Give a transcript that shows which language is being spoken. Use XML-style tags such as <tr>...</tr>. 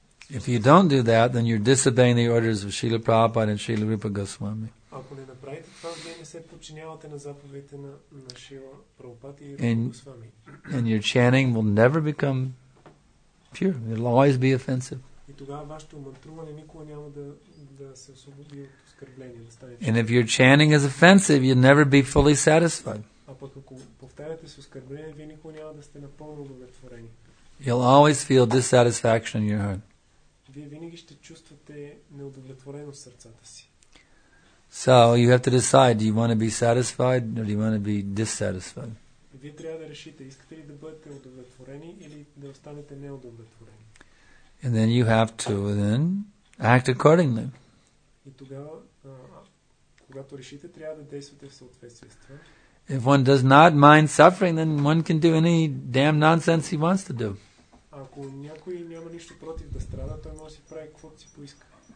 <en>If you don't do that, then you're disobeying the orders of Srila Prabhupada and Srila Rupa Goswami.</en> <bg>Ако не направите това, вие не се подчинявате на заповедите на Шила Прабхупад и Госвами.</bg> <en>And your chanting will never become pure. It'll always be offensive.</en> <bg>И тогава вашето мантруване никога няма да се освободи от оскърбление, да стане.</bg> <en>And if your chanting is offensive, you'll never be fully satisfied.</en> <bg>А пък ако повтаряте с оскърбление, вие никога няма да сте напълно удовлетворени.</bg> <en>You'll always feel dissatisfaction in your heart.</en> <bg>Вие винаги ще чувствате неудовлетвореност в сърцата си.</bg> <en>So you have to decide, do you want to be satisfied or do you want to be dissatisfied?</en> <bg>Вие трябва да решите, искате ли да бъдете удовлетворени или да останете неудовлетворени.</bg> <en>And then you have to then act accordingly.</en> <bg>И тогава, когато решите, трябва да действате в съответствие с това.</bg> <en>If one does not mind suffering, then one can do any damn nonsense he wants to do.</en> <bg>Ако някой няма нищо против да страда, той може да си прави каквото си поиска.</bg>